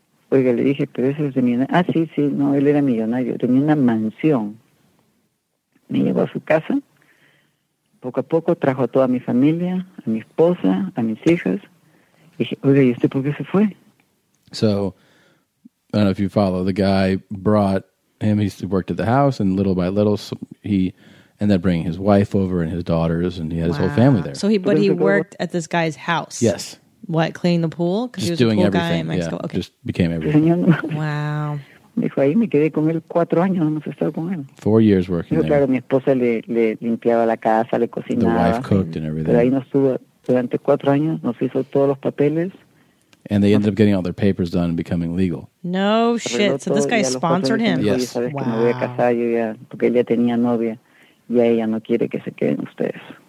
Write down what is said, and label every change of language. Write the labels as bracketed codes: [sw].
[es] Oiga, le dije, pero eso es de mi... Ah, sí, no, él era millonario. Tenía una mansión. Me llevó a su casa. Poco a poco trajo a toda mi familia, a mi esposa, a mis hijas. Y dije, oiga, ¿y usted por qué se fue? [en] So, I don't know if you follow, the guy brought him, he worked at the house, and little by little, so he ended up bringing his wife over and his daughters, and he had his whole family there. So he worked at this guy's house? Yes. What, cleaning the pool? Just he was doing a pool everything. Guy in Mexico. Yeah, okay. Just became everything. Wow. [es] Dijo, ahí me quedé con él 4 años, hemos estado con él. [en] 4 years working there. [es] Claro, mi esposa le limpiaba la casa, le cocinaba. [en] The wife cooked and everything. [es] Pero ahí nos estuvo durante 4 años, nos hizo todos los papeles. [en] And they ended up getting all their papers done and becoming legal. No shit. So this guy sponsored him. Yes. Wow. [es] Me voy a casar yo ya, porque él ya tenía novia. Y ella no quiere que se queden ustedes.